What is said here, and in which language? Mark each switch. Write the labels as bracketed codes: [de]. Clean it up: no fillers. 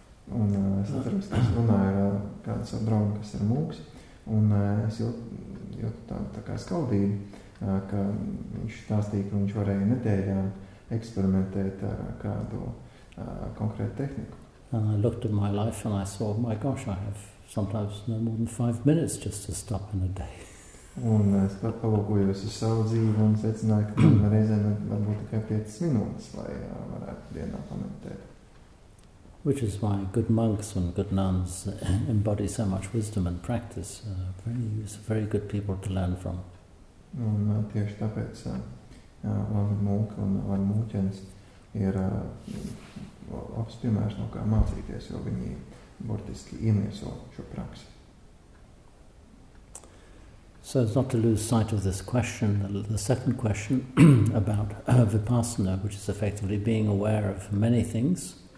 [lv] Un es atceros, ka es runāju ar kādu savu draugu, kas ir mūks, un es jūtu tā kā skaldību, ka viņš stāstīja, ka viņš varēja nedēļām eksperimentēt ar kādu konkrētu tehniku. [en] And I looked at my life and I saw, my gosh, I have sometimes no more than 5 minutes just to stop in a day. [lv] Un es pat palūkojos uz savu dzīvi un secināju, ka man reizē varbūt tikai 5 minūtes, lai varētu dienā pameditēt. [en] Which is why good monks and good nuns embody so much wisdom and practice. Very good people to learn from. [lv] Un tieši tāpēc labi mūki un labi mūķenis ir labs piemērs no kā mācīties, jo viņi burtiski iemieso šo praksi. [en] So as not to lose sight of this question, the second question about vipassana, which is effectively being aware of many things.